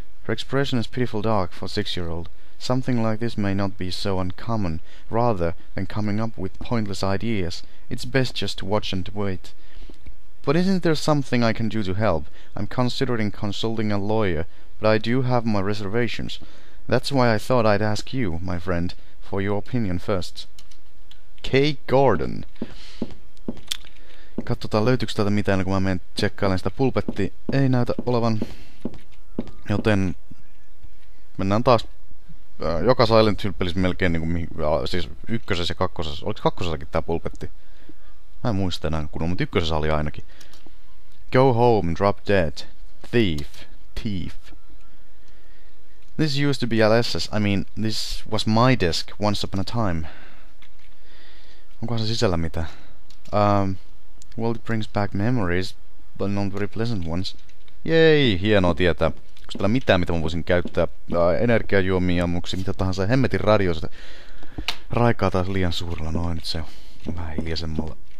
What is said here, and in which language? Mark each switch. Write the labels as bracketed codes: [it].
[en] Her expression is pitiful dark for a 6-year-old. Something like this may not be so uncommon, rather than coming up with pointless ideas. It's best just to watch and wait. But isn't there something I can do to help? I'm considering consulting a lawyer, but I do have my reservations. That's why I thought I'd ask you, my friend, for your opinion first. Kay Gordon. [fi] Katsotaan, löytyykö tätä mitään, kun mä menen tsekkailen sitä pulpetti. Ei näytä olevan. Joten mennään taas. Joka Silent Hill-pelissä melkein niin kuin, siis ykkösessä ja kakkosessa. Oliko kakkosessakin tää pulpetti? Mä en muista enää kunnolla, mutta ykkösessä oli ainakin. [en] Go home, drop dead. Thief. This used to be Alessa's. I mean, this was my desk once upon a time. [fi] Onkohan se sisällä mitä? [en] Well, it brings back memories, but not very pleasant ones. [fi] Yay, hienoa tietää. Onko täällä mitään, mitä mä voisin käyttää? Energiajuomia, ammuksia, mitä tahansa. Hemmetin radio, sitä raikaa taas liian suurella. Noin, nyt se on vähän hiljaisemmalla.